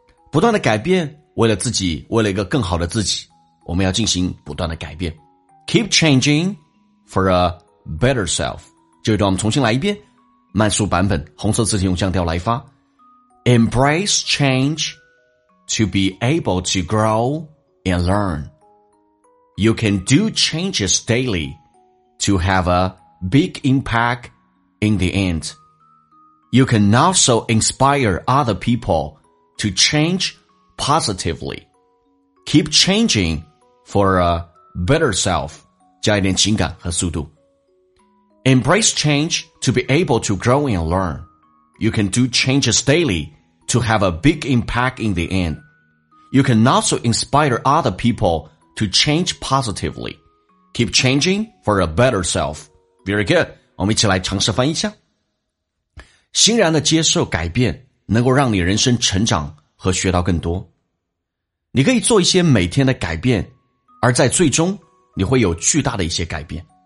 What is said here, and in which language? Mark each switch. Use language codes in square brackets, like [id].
[zh] 不断的改变为了自己，为了一个更好的自己，我们要进行不断的改变。 [en] Keep changing for a better self. [zh] 这一段我们重新来一遍，慢速版本，红色字体用降调来发。 [en] Embrace change to be able to grow and learn. You can do changes daily to have a big impact in the end. You can also inspire other people to change. Positively. Keep changing for a better self. [zh] 加一点情感和速度。 [en] Embrace change to be able to grow and learn. You can do changes daily to have a big impact in the end. You can also inspire other people to change positively. Keep changing for a better self. Very good. [zh] 我们一起来尝试翻译一下。欣然的接受改变能够让你人生成长和学到更多。你可以做一些每天的改变，而在最终你会有巨大的一些改变。